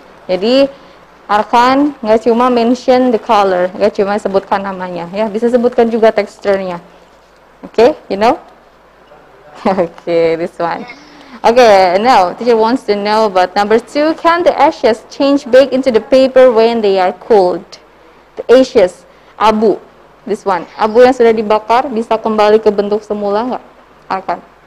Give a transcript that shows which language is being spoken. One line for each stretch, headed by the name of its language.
Indonesian: Jadi Arkan nggak cuma
English: mention the color,
Indonesian: nggak cuma sebutkan namanya, ya, bisa sebutkan juga teksturnya.
English: Oke, okay, you know? Oke, okay, this one. Oke, okay, now teacher wants to know about number two. Can the ashes change back into the paper when they are cooled? The ashes, abu, this one.
Indonesian: Abu yang sudah dibakar bisa kembali ke bentuk semula nggak, Arkan?